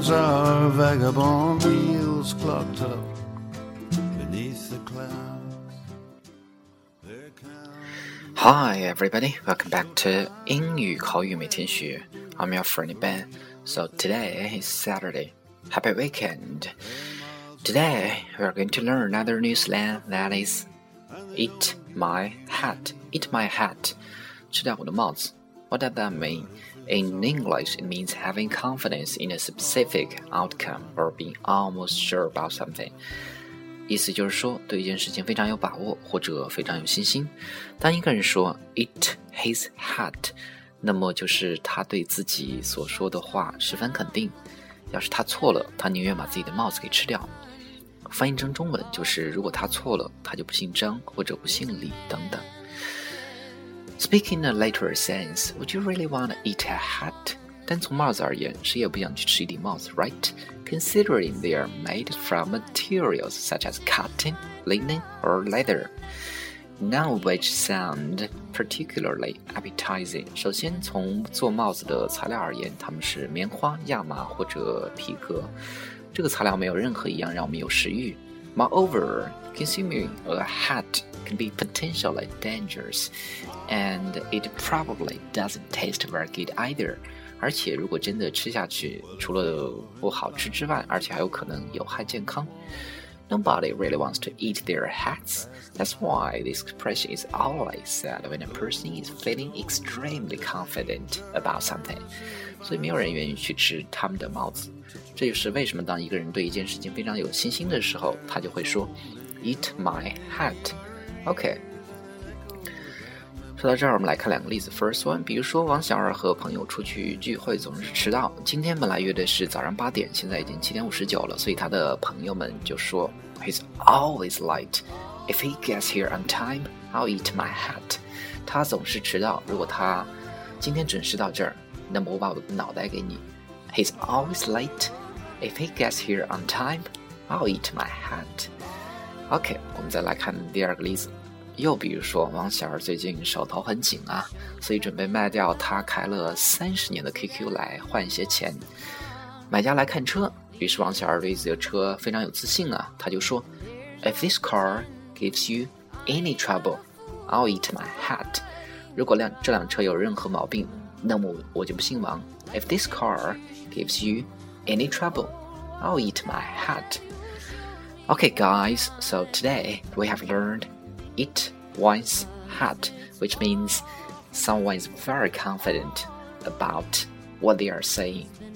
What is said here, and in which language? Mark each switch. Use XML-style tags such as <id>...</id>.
<en>house clocked up beneath the clouds. Hi, everybody. Welcome back to</en> <zh>英语口语每天学。</zh> <en>I'm your friend Ben. So today is Saturday. Happy weekend. Today, we're going to learn another new slang that is eat my hat. Eat my hat.</en> <zh>吃掉我的帽子。</zh> <en>What does that mean? In English, it means having confidence in a specific outcome or being almost sure about something.</en> <zh>意思就是说对一件事情非常有把握或者非常有信心。当一个人说</zh> <en>eat his hat,</en> <zh>那么就是他对自己所说的话十分肯定。要是他错了，他宁愿把自己的帽子给吃掉。翻译成中文就是如果他错了，他就不姓张或者不姓李等等。</zh> <en>Speaking in a literal sense, would you really want to eat a hat?</en> <zh>但从帽子而言，谁也不想去吃一顶帽子 ,</zh> <en>right? Considering they are made from materials such as cotton, linen, or leather. None of which sound particularly appetizing.</en> <zh>首先从做帽子的材料而言，它们是棉花、亚麻或者皮革。这个材料没有任何一样让我们有食欲。</zh> <en>Moreover, consuming a hat can be potentially dangerous, and it probably doesn't taste very good either.</en> <zh>而且如果真的吃下去，除了不好吃之外，而且还有可能有害健康。</zh> <en>Nobody really wants to eat their hats. That's why this expression is always said when a person is feeling extremely confident about something.</en> <zh>所以没有人愿意去吃他们的帽子。这就是为什么当一个人对一件事情非常有信心的时候，他就会说</zh> <en>Eat my hat. OK.</en> <zh>说到这儿，我们来看两个例子。</zh> <en>First one,</en> <zh>比如说王小二和朋友出去聚会总是迟到。今天本来约的是早上八点，现在已经7:59了，所以他的朋友们就说</zh> <en>He's always late. If he gets here on time, I'll eat my hat.</en> <zh>他总是迟到，如果他今天准时到这儿，那么我把我的脑袋给你。</zh> <en>He's always late. If he gets here on time, I'll eat my hat.</en> <zh>OK, 我们再来看第二个例子。又比如说王小二最近手头很紧啊，所以准备卖掉他开了30年的 QQ 来换一些钱。买家来看车，于是王小二对自己的车非常有自信啊，他就说</zh> <en>If this car gives you any trouble, I'll eat my hat.</en> <zh>如果这辆车有任何毛病，那么我就不姓王。</zh> <en>If this car gives you any trouble, I'll eat my hat. Okay, guys, so today we have learned eat one's hat, which means someone is very confident about what they are saying.</en>